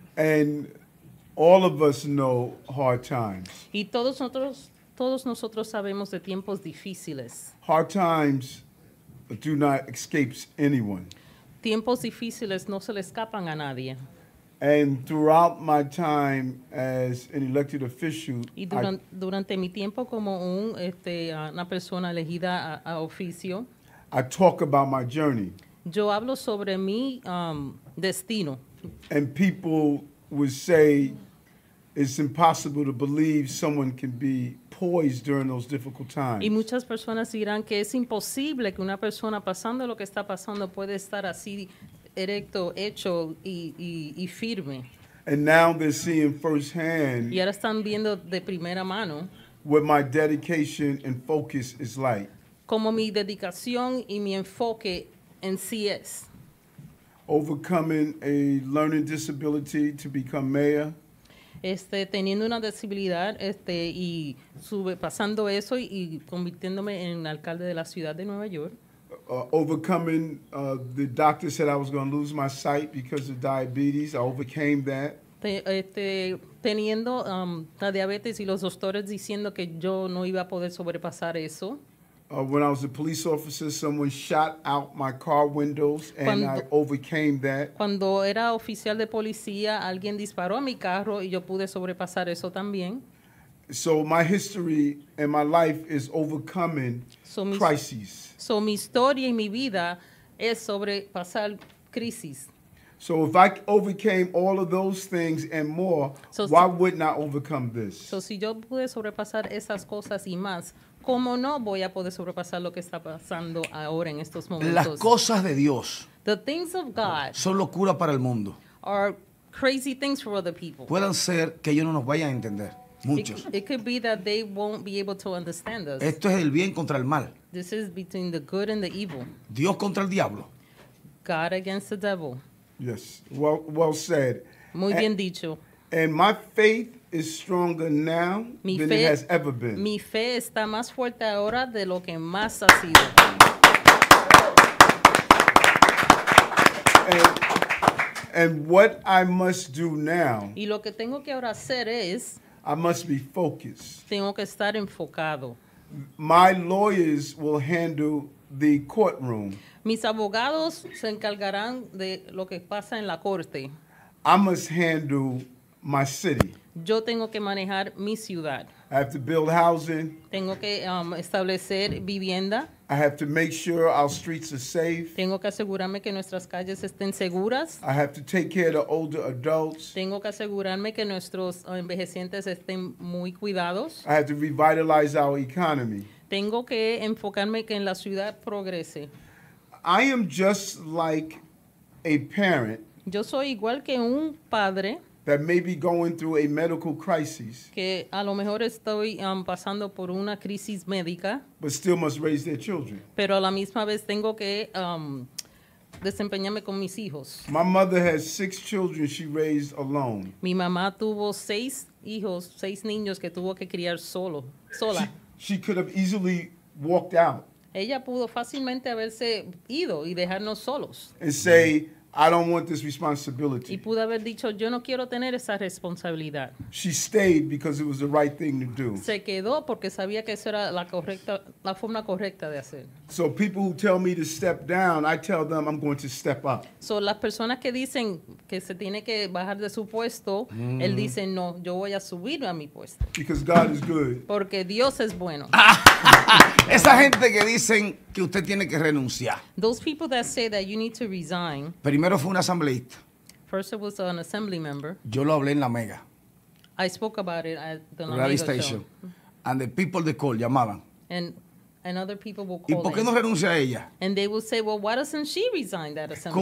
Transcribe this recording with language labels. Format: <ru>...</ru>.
<en>And all of us know hard times.</en> <es>Y todos nosotros sabemos de tiempos difíciles.</es> <en>Hard times do not escape anyone.</en> <es>Tiempos difíciles no se le escapan a nadie.</es> <en>And throughout my time as an elected official,</en> <es>y durante mi tiempo como una persona elegida a oficio,</es> <en>I talk about my journey.</en> <es>Yo hablo sobre mi destino.</es> <en>And people would say it's impossible to believe someone can be poised during those difficult times.</en> <es>Y muchas personas dirán que es imposible que una persona pasando lo que está pasando puede estar así erecto, hecho y firme.</es> <en>And now they're seeing firsthand.</en> <es>Y ahora están viendo de primera mano.</es> <en>What my dedication and focus is like.</en> <es>Como mi dedicación y mi enfoque en sí es.</es> <en>Overcoming a learning disability to become mayor.</en> <es>Teniendo una discapacidad y pasando eso y convirtiéndome en alcalde de la ciudad de Nueva York.</es> <en>Overcoming the doctor said I was going to lose my sight because of diabetes. I overcame that.</en> <es>Teniendo la diabetes y los doctores diciendo que yo no iba a poder sobrepasar eso.</es> <en>When I was a police officer, someone shot out my car windows, and I overcame that.</en> <es>Cuando era oficial de policía, alguien disparó a mi carro, y yo pude sobrepasar eso también.</es> <en>So my history and my life is overcoming crises.</en> <es>So mi historia y mi vida es sobrepasar crisis.</es> <en>So if I overcame all of those things and more, why wouldn't I overcome this?</en> <es>So si yo pude sobrepasar esas cosas y más, ¿cómo no voy a poder sobrepasar lo que está pasando ahora en estos momentos? Las cosas de Dios,</es> <en>the things of God,</en> <es>son locura para el mundo.</es> <en>Are crazy things for other people.</en> <es>Pueden ser que ellos no nos vayan a entender, muchos.</es> <en>It could be that they won't be able to understand us.</en> <es>Esto es el bien contra el mal.</es> <en>This is between the good and the evil.</en> <es>Dios contra el diablo.</es> <en>God against the devil. Yes, well said.</en> <es>Muy bien dicho.</es> <en>And my faith is stronger now than it has ever been.</en> <es>Mi fe está más fuerte ahora de lo que más ha sido.</es> <en>And what I must do now,</en> <es>y lo que tengo que ahora hacer es,</es> <en>I must be focused.</en> <es>Tengo que estar enfocado.</es> <en>My lawyers will handle the courtroom.</en> <es>Mis abogados se encargarán de lo que pasa en la corte.</es> <en>I must handle my city.</en> <es>Yo tengo que manejar mi ciudad.</es> <en>I have to build housing.</en> <es>Tengo que establecer vivienda.</es> <en>I have to make sure our streets are safe.</en> <es>Tengo que asegurarme que nuestras calles estén seguras.</es> <en>I have to take care of the older adults.</en> <es>Tengo que asegurarme que nuestros envejecientes estén muy cuidados.</es> <en>I have to revitalize our economy.</en> <es>Tengo que enfocarme que en la ciudad progrese.</es> <en>I am just like a parent.</en> <es>Yo soy igual que un padre.</es> <en>That may be going through a medical crisis.</en> <es>Que a lo mejor estoy pasando por una crisis médica.</es> <en>But still must raise their children.</en> <es>Pero a la misma vez tengo que desempeñarme con mis hijos.</es> <en>My mother has 6 children she raised alone.</en> <es>Mi mamá tuvo 6 hijos, 6 niños que tuvo que criar solo, sola.</es> <en>She could have easily walked out.</en> <es>Ella pudo fácilmente haberse ido y dejarnos solos.</es> <en>And say, I don't want this responsibility.</en> <es>Y pudo haber dicho, yo no quiero tener esa responsabilidad.</es> <en>She stayed because it was the right thing to do.</en> <es>Se quedó porque sabía que eso era la forma correcta de hacer.</es> <en>So people who tell me to step down, I tell them I'm going to step up.</en> <es>So las personas que dicen que se tiene que bajar de su puesto, él dice, no, yo voy a subir a mi puesto.</es> <en>Because God is good.</en> <es>Porque Dios es bueno. Esa gente que dicen que usted tiene que renunciar.</es> <en>Those people that say that you need to resign.</en> <es>Primero fue un asambleísta.</es> <en>First it was an assembly member.</en> <es>Yo lo hablé en la mega.</es> <en>I spoke about it at the radio station. And the people they call,</en> <es>llamaban.</es> <en>And other people will call.</en> <es>¿Y por qué no renuncia a ella?</es> <en>And they will say, well, why doesn't she resign that assembly?</en>